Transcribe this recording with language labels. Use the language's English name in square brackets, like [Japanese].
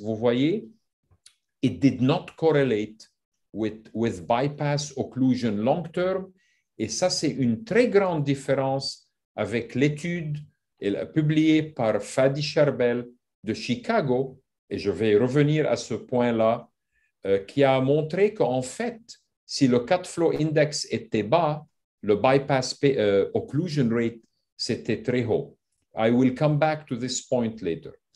[French] Vous voyez, [English] it did not correlate with bypass occlusion long-term. [French] Et ça, c'est une très grande différence avec l'étude publiée par Fadi Charbel de Chicago. Et je vais revenir à ce point-là, qui a montré qu'en fait, si le cut flow index était bas, le bypass occlusion rate, c'était très haut. [English] I will come back to this point later.